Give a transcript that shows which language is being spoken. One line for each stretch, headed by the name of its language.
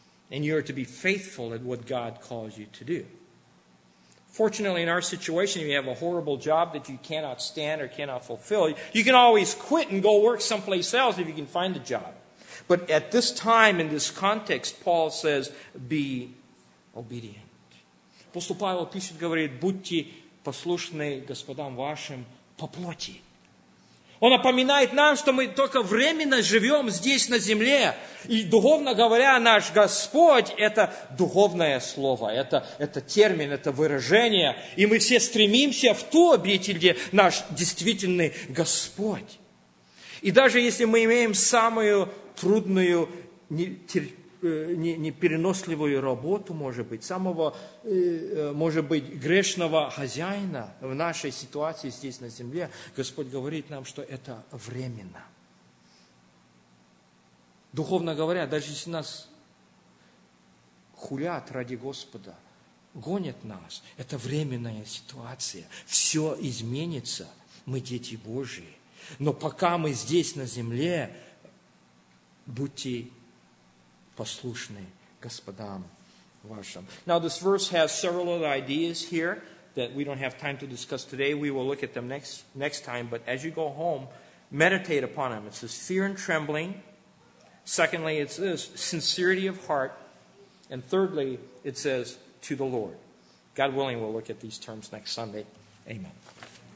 English: And you are to be faithful at what God calls you to do. Fortunately, in our situation, if you have a horrible job that you cannot stand or cannot fulfill, you can always quit and go work someplace else if you can find a job. But at this time, in this context, Paul says, be obedient.
Russian: Апостол Павел пишет, говорит, будьте послушны господам вашим по плоти. Он напоминает нам, что мы только временно живем здесь на земле. И духовно говоря, наш Господь – это духовное слово, это термин, это выражение. И мы все стремимся в ту обитель, где наш действительный Господь. И даже если мы имеем самую трудную, непереносливую работу, может быть, самого, может быть, грешного хозяина в нашей ситуации здесь на земле, Господь говорит нам, что это временно. Духовно говоря, даже если нас хулят ради Господа, гонят нас, это временная ситуация. Все изменится, мы дети Божьи. Но пока мы здесь на земле, будьте послушный господам вашим.
English: Now this verse has several other ideas here that we don't have time to discuss today. We will look at them next time. But as you go home, meditate upon them. It says fear and trembling. Secondly, it says sincerity of heart. And thirdly, it says to the Lord. God willing, we'll look at these terms next Sunday. Amen.